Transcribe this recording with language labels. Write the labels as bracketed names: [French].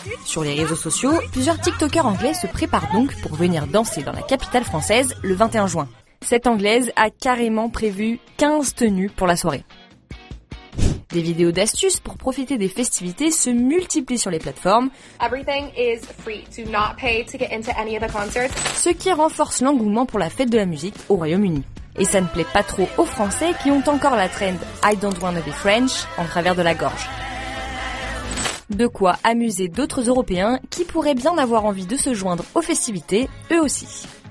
[French] Sur les réseaux sociaux, plusieurs TikTokers anglais se préparent donc pour venir danser dans la capitale française le 21 juin. Cette anglaise a carrément prévu 15 tenues pour la soirée. Des vidéos d'astuces pour profiter des festivités se multiplient sur les plateformes. [English] Everything is free. Do not pay to get into any of the concerts. [French] Ce qui renforce l'engouement pour la fête de la musique au Royaume-Uni. Et ça ne plaît pas trop aux Français qui ont encore la trend [English] I don't wanna be French [French] en travers de la gorge. De quoi amuser d'autres Européens qui pourraient bien avoir envie de se joindre aux festivités eux aussi.